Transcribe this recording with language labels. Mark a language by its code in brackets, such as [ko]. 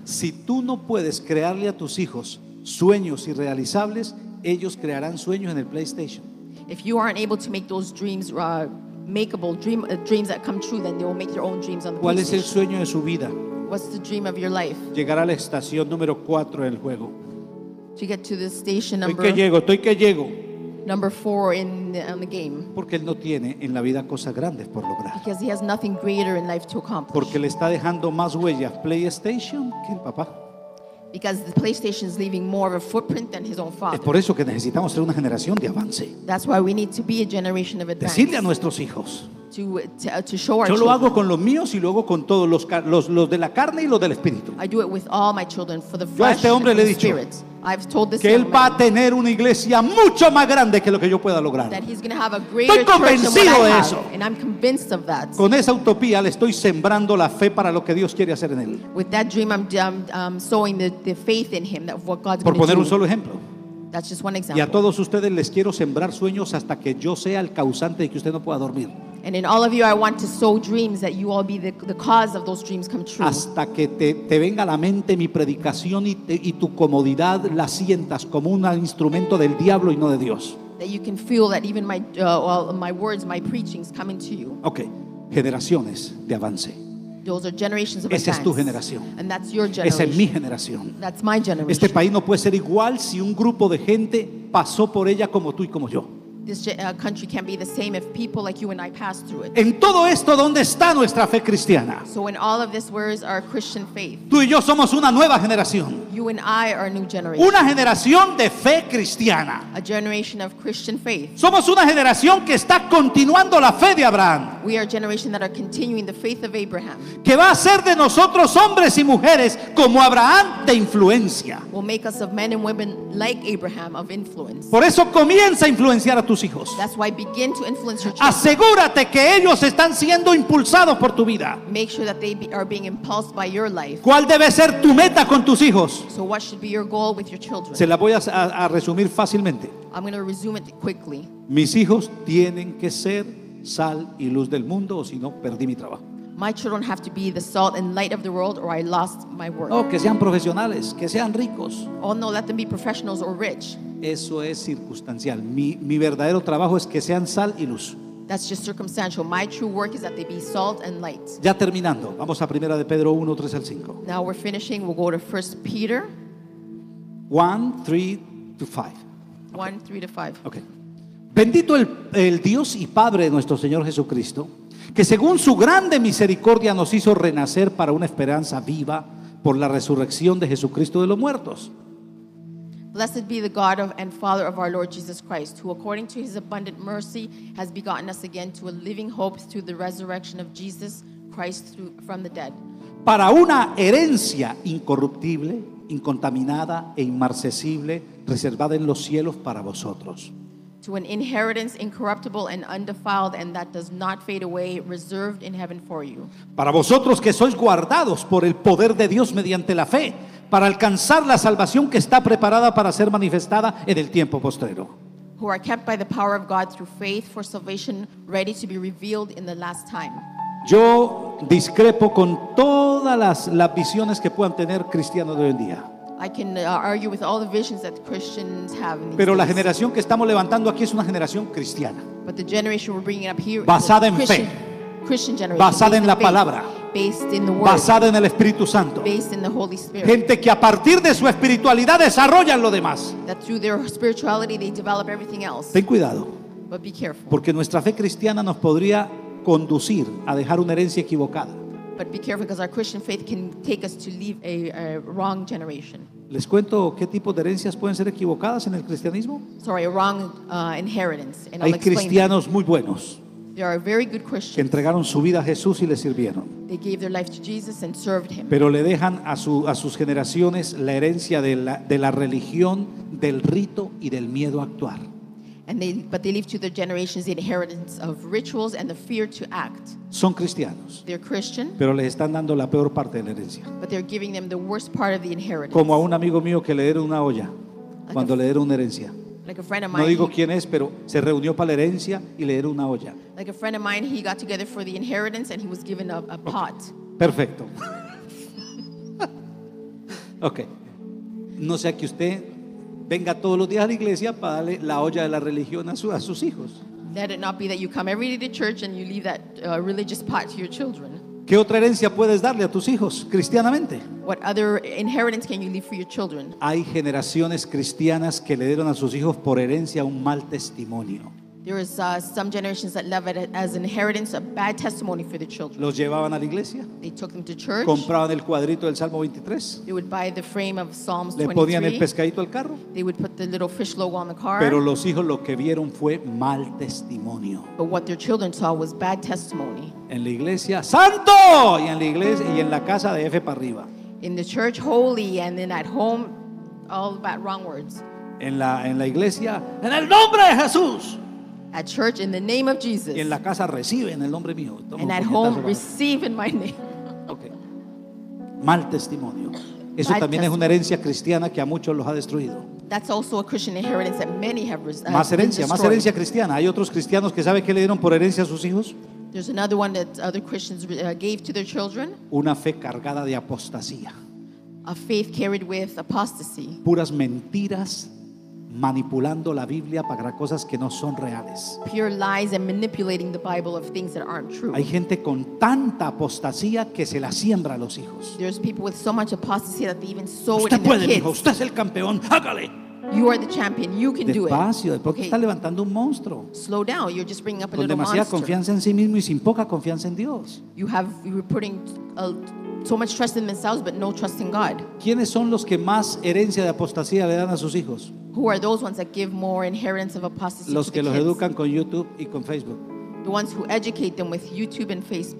[es] Si tú no puedes crearle a tus hijos sueños irrealizables, ellos crearán sueños en el PlayStation. [en] If you aren't able to make those dreams makeable, dreams that come true, then they will make their own dreams on the [es] ¿Cuál ¿Cuál es el sueño de su vida? [en] What's the dream of your life? [es] Llegar a la estación número 4 en el juego. [en] To get to the station number. [es] Estoy que llego, estoy que llego. [en] Number 4 in on the game. [es] Porque él no tiene en la vida cosas grandes por lograr. [en] Because he has nothing greater in life to accomplish. [es] Porque le está dejando más huellas PlayStation que el papá. [en] Because the PlayStation is leaving more of a footprint than his own father. [es] Es por eso que necesitamos ser una generación de avance. [en] That's why we need to be a generation of advance. [es] Decirle a nuestros hijos. [en] To show our [es] yo [en] children. [es] Lo hago con los míos y luego con todos los de la carne y los del espíritu. [en] I do it with all my children for the flesh. [es] Yo a este hombre le he dicho que él va a tener una iglesia mucho más grande que lo que yo pueda lograr. [en] That he's going to have a greater. [es] Estoy convencido de eso. [en] And I'm convinced of that. [es] Con esa utopía le estoy sembrando la fe para lo que Dios quiere hacer en él. [en] With that dream I'm sowing the faith in him that what God's. [es] Por poner [en] do. [es] Un solo ejemplo. [en] That's just one example. [es] Y a todos ustedes les quiero sembrar sueños hasta que yo sea el causante de que usted no pueda dormir. [en] And in all of you, I want to sow dreams that you all be the cause of those dreams come true. [es] Hasta que te venga a la mente mi predicación y tu comodidad la sientas como un instrumento del diablo y no de Dios. [en] That you can feel that even my words, my preachings coming to you. [es] Okay, generaciones de avance. [en] Those are generations of advance. [es] Esa es tu generación. [en] And that's your generation. [es] Esa es mi generación. [en] That's my generation. [es] Este país no puede ser igual si un grupo de gente pasó por ella como tú y como yo. [en] This country can't be the same if people like you and I pass through it. [es] En todo esto, ¿dónde está nuestra fe cristiana? [en] So in all of this, where is our Christian faith? [es] Tú y yo somos una nueva generación. [en] You and I are a new generation. [es] Una generación de fe cristiana. [en] A generation of Christian faith. [es] Somos una generación que está continuando la fe de Abraham. [en] We are a generation that are continuing the faith of Abraham. [es] Que va a hacer de nosotros hombres y mujeres como Abraham de influencia. [en] Will make us of men and women like Abraham of influence. [es] Por eso comienza a influenciar a tus hijos. [en] That's why begin to influence your children. [es] Asegúrate que ellos están siendo impulsados por tu vida. [en] Make sure that they are being impulsed by your life. [es] ¿Cuál debe ser tu meta con tus hijos? [en] So what should be your goal with your children? [es] Se la voy a resumir fácilmente. [en] I'm going to resume it quickly. [es] Mis hijos tienen que ser sal y luz del mundo, o si no, perdí mi trabajo. [en] My children have to be the salt and light of the world, or I lost my work. [es] No, que sean profesionales, que sean ricos. [en] Oh no, let them be professionals or rich. [es] Eso es circunstancial. Mi verdadero trabajo es que sean sal y luz. [en] That's just circumstantial. My true work is that they be salt and light. [es] Ya terminando, vamos a Primera de Pedro 1, 3 al 5. [en] Now we're finishing. We'll go to 1 Peter 1, 3 to 5. 1, 3 to 5. Okay. [es] Bendito el Dios y Padre de nuestro Señor Jesucristo, que según su grande misericordia nos hizo renacer para una esperanza viva por la resurrección de Jesucristo de los muertos. [en] Blessed be the God and Father of our Lord Jesus Christ, who according to his abundant mercy has begotten us again to a living hope through the resurrection of Jesus Christ from the dead. [es] Para una herencia incorruptible, incontaminada e inmarcesible, reservada en los cielos para vosotros. [en] To an inheritance incorruptible and undefiled and that does not fade away, reserved in heaven for you. [es] Para vosotros que sois guardados por el poder de Dios mediante la fe, para alcanzar la salvación que está preparada para ser manifestada en el tiempo postrero. [en] Who are kept by the power of God through faith for salvation, ready to be revealed in the last time. [es] Yo discrepo con todas las visiones que puedan tener cristianos de hoy en día. [en] I can argue with all the visions that Christians have. [es] Pero [en] days. [es] La generación que estamos levantando aquí es una generación cristiana. [en] But the generation we're bringing up here [es] basada [en] is a Christian, [es] en fe. [en] Christian generation. [es] Basada en la palabra. [en] Based in the word. [es] Basada en el Espíritu Santo. [en] Based in the Holy Spirit. [es] Gente que a partir de su espiritualidad desarrollan lo demás. [en] That through their spirituality they develop everything else. [es] Ten cuidado. [en] But be careful. [es] Porque nuestra fe cristiana nos podría conducir a dejar una herencia equivocada. [en] But be careful because our Christian faith can take us to leave a wrong generation. [es] ¿Les cuento qué tipo de herencias pueden ser equivocadas en el cristianismo? [en] Sorry, a wrong inheritance. And [es] hay cristianos muy buenos. [en] There are very good Christians. [es] Que entregaron su vida a Jesús y le sirvieron. [en] They gave their life to Jesus and served him. [es] Pero le dejan a sus generaciones la herencia de la religión, del rito y del miedo a actuar. [en] But they leave to their generations the inheritance of rituals and the fear to act. [es] Son cristianos. [en] They're Christian. [es] Pero les están dando la peor parte de la herencia. [en] But they're giving them the worst part of the inheritance. [es] Como a un amigo mío que le dieron una olla cuando le dieron una herencia. [en] Like a friend of mine. [es] No digo quién es, pero se reunió para la herencia y le dieron una olla. [en] Like a friend of mine, he got together for the inheritance and he was given a pot. [es] Perfecto. [en] Okay. [es] No sea que usted venga todos los días a la iglesia para darle la olla de la religión a sus hijos. [en] Let it not be that you come every day to church and you leave that religious pot to your children. [es] ¿Qué otra herencia puedes darle a tus hijos cristianamente? [en] What other inheritance can you leave for your children? [es] Hay generaciones cristianas que le dieron a sus hijos por herencia un mal testimonio. [en] There is some generations that left it as inheritance, a bad testimony for the children. [es] Los llevaban a la iglesia. [en] They took them to church. [es] Compraban el cuadrito del Salmo 23. [en] They would buy the frame of Psalms 23. [es] Le ponían el pescadito al carro. [en] They would put the little fish logo on the car. [es] Pero los hijos lo que vieron fue mal testimonio. [en] But what their children saw was bad testimony. [es] En la iglesia, santo, y en la iglesia y en la casa de F para arriba. [en] In the church, holy, and then at home, all about wrong words. [es] En la iglesia, en el nombre de Jesús. [en] At church, in the name of Jesus. [es] Y en la casa, recibe en el nombre mío. Tomo [en] and at home, para... receive in my name. [es] Okay. Mal testimonio. Eso [en] bad [es] también [en] testimony. [es] Es una herencia cristiana que a muchos los ha destruido. [en] That's also a Christian inheritance that many have destroyed. [es] Más herencia cristiana. Hay otros cristianos que sabe que le dieron por herencia a sus hijos. [en] There's another one that other Christians gave to their children. [es] Una fe cargada de apostasía. [en] A faith carried with apostasy. [es] Puras mentiras. Manipulando la Biblia para cosas que no son reales. [en] Pure lies and manipulating the Bible of things that aren't true. [es] Hay gente con tanta apostasía que se la siembra a los hijos. [en] There's people with so much apostasy that they even sow [es] usted [en] it in [es] puede, [en] their kids. [es] Hijo, usted es el campeón, hágale. [en] You are the champion. You can [es] despacio, [en] do it. [es] Despacio, de pronto okay. Está levantando un monstruo. [en] Slow down. You're just bringing up a [es] con [en] little [es] demasiada [en] monster. [es] Confianza en sí mismo y sin poca confianza en Dios. [en] You're putting so much trust in themselves but no trust in God. [es] ¿Quiénes son los que más herencia de apostasía le dan a sus hijos? [en] Who are those ones that give more inheritance of apostasy to the kids? [es] Los que los [en] kids? [es] Educan con YouTube y con Facebook. [en] The ones who educate them with YouTube and Facebook.